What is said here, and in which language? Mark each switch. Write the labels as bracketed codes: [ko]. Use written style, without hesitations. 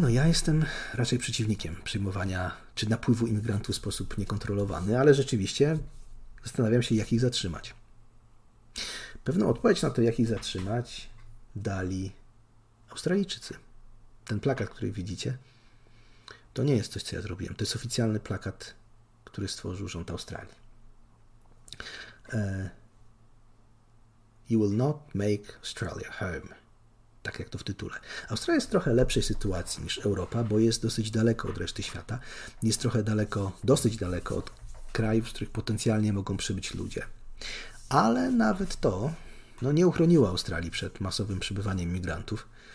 [pl] No ja jestem raczej przeciwnikiem przyjmowania czy napływu imigrantów w sposób niekontrolowany, ale rzeczywiście zastanawiam się, jak ich zatrzymać. Pewną odpowiedź na to, jak ich zatrzymać, dali Australijczycy. Ten plakat, który widzicie, to nie jest coś, co ja zrobiłem. To jest oficjalny plakat, który stworzył rząd Australii. [en] You will not make Australia home. [pl] Tak jak to w tytule. Australia jest w trochę lepszej sytuacji niż Europa, bo jest dosyć daleko od reszty świata. Jest trochę daleko, dosyć daleko od krajów, z których potencjalnie mogą przybyć ludzie. Ale nawet to no, nie uchroniło Australii przed masowym przybywaniem migrantów.